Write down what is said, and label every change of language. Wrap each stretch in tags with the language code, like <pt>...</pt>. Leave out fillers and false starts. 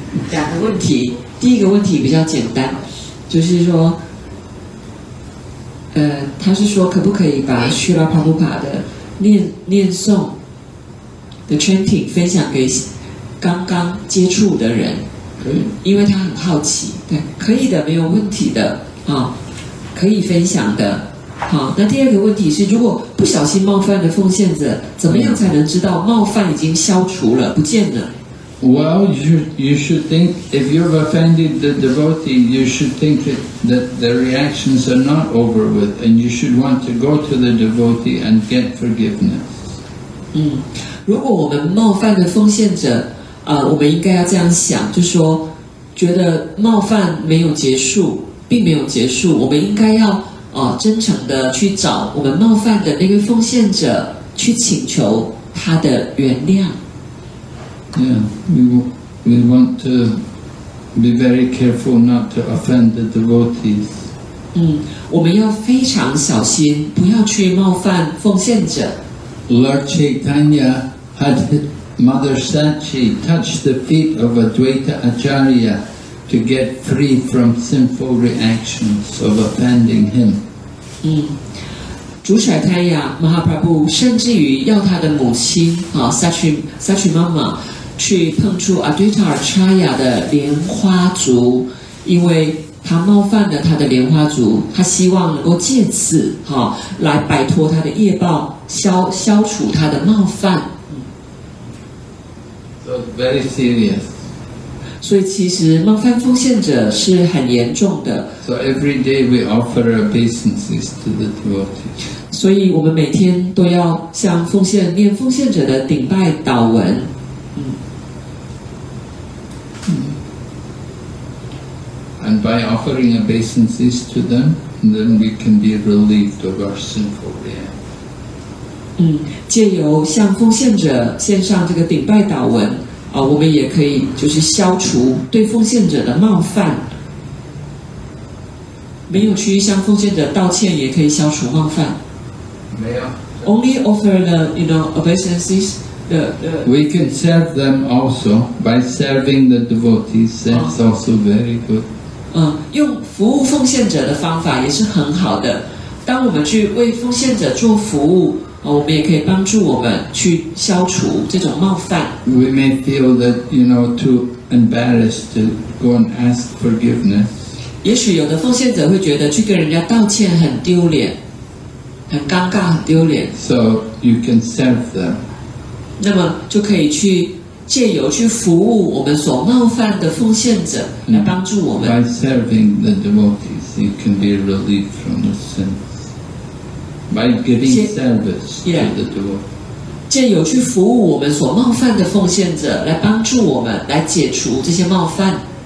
<zh>两个问题，第一个问题比较简单，就是说，他是说可不可以把 Srila Prabhupada 的念诵的 chanting 分享给刚刚接触的人，因为他很好奇，对，可以的，没有问题的，可以分享的，那第二个问题是，如果不小心冒犯的奉献者，怎么样才能知道冒犯已经消除了，不见了</zh> <en>？Well, you should think if you've offended the devotee, you should think that the reactions are not over with, and you should want to go to the devotee and get forgiveness.</en> <zh>如果我们冒犯的奉献者。我们应该要这样想，就说觉得冒犯没有结束，并没有结束，我们应该要真诚的去找我们冒犯的那个奉献者，去请求他的原谅。</zh> <en>Yeah, we want to be very careful not to offend the devotees.</en> <zh>我们要非常小心，不要去冒犯奉献者。</zh> <en>Lord Chaitanya had Mother Sachi touched the feet of Advaita Acharya to get free from sinful reactions of offending him.</en> <zh>主舍太亚 Mahaprabhu 甚至于要他的母亲 Sachi Mama 去碰触 Advaita Acharya 的莲花足，因为他冒犯了他的莲花足，他希望能够借此来摆脱他的业报，消除他的冒犯。</zh> <en>Very serious.</en> <zh>所以其实冒犯奉献者是很严重的。</zh> <en>So every day we offer obeisances to the devotees.</en> <zh>所以我们每天都要向奉献念奉献者的顶拜祷文。</zh> <en>And by offering obeisances to them, then we can be relieved of our sinful reactions.</en> <zh>借由向奉献者献上这个顶拜祷文，我们也可以就是消除对奉献者的冒犯，没有去向奉献者道歉也可以消除冒犯。没有。</zh> <en>Only offer the, you know, obeisances. We can serve them also by serving the devotees. That's also very good.</en> <zh>用服务奉献者的方法也是很好的。当我们去为奉献者做服务。我们也可以帮助我们去消除这种冒犯。</zh> <en>We may feel that, you know, too embarrassed to go and ask forgiveness.</en> <zh>也许有的奉献者会觉得去跟人家道歉很丢脸，很尴尬，很丢脸。</zh> <en>So you can serve them.</en> <zh>那么就可以去借由去服务我们所冒犯的奉献者来帮助我们。</zh> <en>By serving the devotees, you can be relieved from the sin. By giving service to the devotee,</en> <zh>借由去服务我们所冒犯的奉献者，来帮助我们来解除这些冒犯。</zh>